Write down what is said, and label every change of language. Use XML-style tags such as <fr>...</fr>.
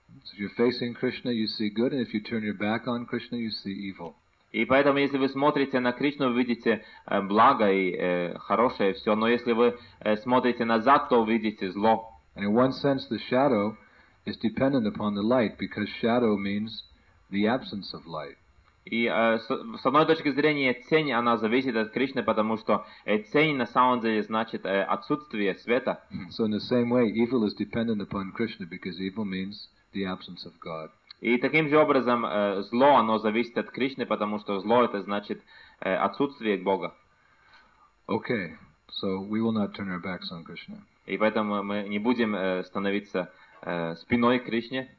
<en>So if you're facing Krishna, you see good, and if you turn your back on Krishna, you see evil.</en> <ru>И поэтому, если вы смотрите на Кришну, вы видите благо и хорошее все, но если вы смотрите назад, то видите зло.</ru> <en>And in one sense, the shadow is dependent upon the light, because shadow means the absence of light.</en> <ru>И с одной точки зрения тень, она зависит от Кришны, потому что тень на самом деле значит отсутствие света.</ru> <en>So in the same way, evil is dependent upon Krishna, because evil means the absence of God.</en> <ru>И таким же образом зло, оно зависит от Кришны, потому что зло это значит отсутствие Бога.</ru> <en>Okay, so we will not turn our backs on Krishna.</en> <ru>И поэтому мы не будем становиться спиной к Кришне.</ru>